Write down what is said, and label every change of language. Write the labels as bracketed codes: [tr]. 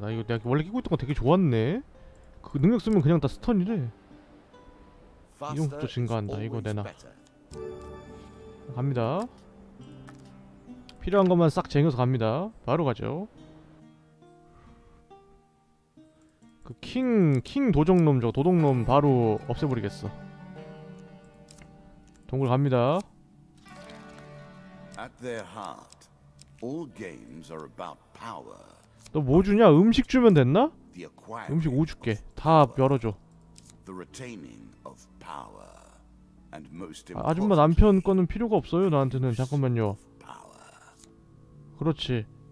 [ko] 나 이거 내가 원래 끼고 있던 거 되게 좋았네. 그 능력 쓰면 그냥 다 스턴이래. 이용도 증가한다. 이거 내놔. 갑니다. 필요한 것만 싹 쟁여서 갑니다. 바로 가죠. 그 킹 도적놈 저 도둑놈 바로 없애버리겠어. 동굴 갑니다. [en] At their heart, all games are about power. [ko] 너 뭐 주냐? 음식 주면 됐나? 음식 5 줄게. 다 열어줘. 아, 아줌마 남편 거는 필요가 없어요 나한테는. 잠깐만요. 그렇지.